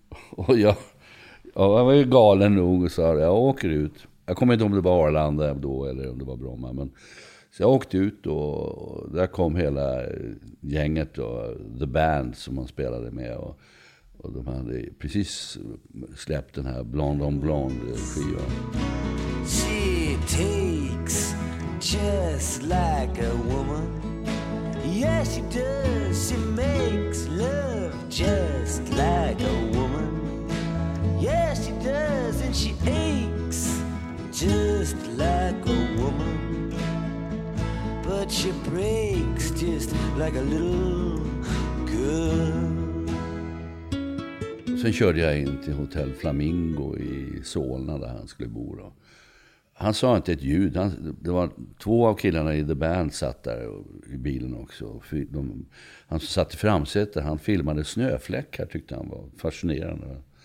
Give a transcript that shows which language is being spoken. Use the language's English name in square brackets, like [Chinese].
[Swedish] Och jag var ju galen nog och sa, jag åker ut. Jag kommer inte om det var Arlanda då eller om det var Bromma, men så jag åkte ut och där kom hela gänget och The Band som man spelade med. Och de hade precis släppt den här Blonde on Blonde-skivan. [English] She takes just like a woman. Yes, yeah, she does. She makes love just like a woman. Yes, yeah, she does. And she aches just like a woman. but she breaks just like a little girl. [Swedish] Sen körde jag in till Hotell Flamingo i Solna där han skulle bo då. Han sa inte ett ljud. Det var två av killarna i The Band satt där i bilen också. Han satt i framsätet. Han filmade snöfläckar, tyckte han var fascinerande.